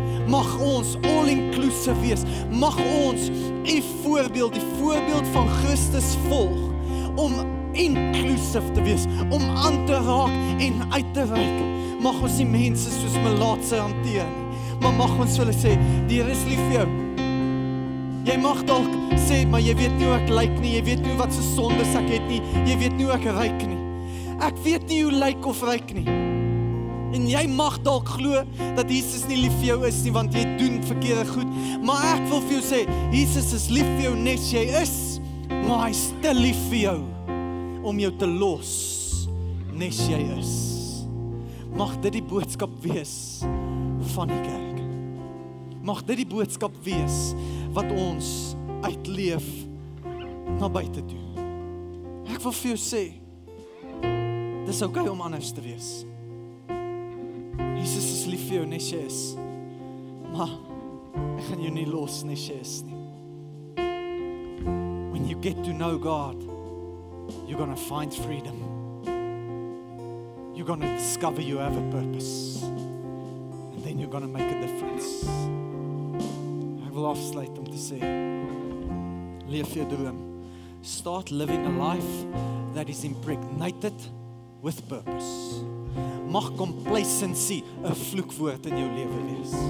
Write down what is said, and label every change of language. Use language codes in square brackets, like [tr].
[af] Mag ons all inclusive wees, mag ons u voorbeeld, die voorbeeld van Christus volg, om inclusive te wees, om aan te raak en uit te reik. Mag ons die mense soos melaatse hanteer, maar mag ons hulle sê, die Here is lief vir jou. Jy mag dalk sê, maar jy weet nie hoe ek lyk nie, jy weet nie wat se sondes ek het nie, jy weet nie hoe ek ryk nie. Ek weet nie hoe lyk of ryk nie. En jy mag dalk glo dat Jesus nie lief vir jou is nie, want jy doen verkeerde goed. Maar ek wil vir jou sê, Jesus is lief vir jou net jy is, maar hy is te lief vir jou om jou te los net jy is. Mag dit die boodskap wees van die kerk. Mag dit die boodskap wees wat ons uitleef na buite toe. Ek wil vir jou sê, dis okay om anders te wees. Jesus is lief vir jou, nes jy is. Maar, ek gaan jou nie los, nes jy is nie. [en] When you get to know God, you're gonna find freedom. You're gonna discover you have a purpose. And then you're gonna make a difference. [af] Ek wil afsluit om te sê, leef jou droom. [en] Start living a life that is impregnated with purpose. [af] Mag complacency 'n vloekwoord in jou lewe wees.